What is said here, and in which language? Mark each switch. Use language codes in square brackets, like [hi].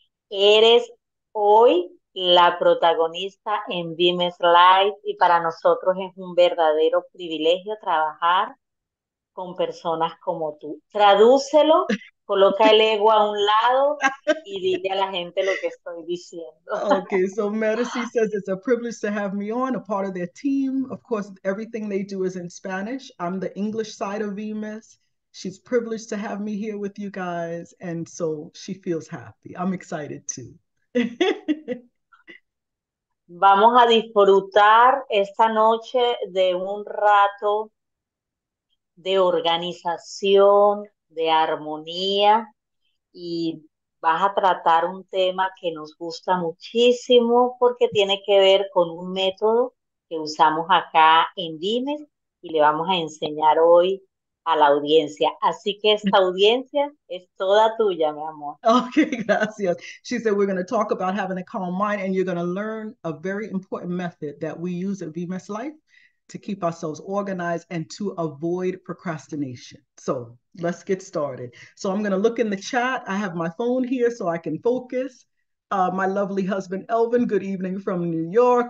[es] Eres hoy la protagonista en Vimes Life y para nosotros es un verdadero privilegio trabajar con personas como tú. Tradúcelo, coloca el ego a un lado y dile a la gente lo que estoy diciendo. [en] Okay, so Mercy says it's a privilege to have me on, a part of their team. Of course, everything they do is in Spanish. I'm the English side of Vimes. She's privileged to have me here with you guys. And so she feels happy. I'm excited too. [es] Vamos a disfrutar esta noche de un rato de organización, de armonía, y vas a tratar un tema que nos gusta muchísimo porque tiene que ver con un método que usamos acá en Vimes y le vamos a enseñar hoy a la audiencia. Así que esta audiencia es toda tuya, mi amor. Okay, gracias. [en] She said we're going to talk about having a calm mind and you're going to learn a very important method that we use at Vimes Life to keep ourselves organized and to avoid procrastination. So Let's get started. So I'm going to look in the chat. I have my phone here so I can focus. My lovely husband, Elvin, good evening from New York.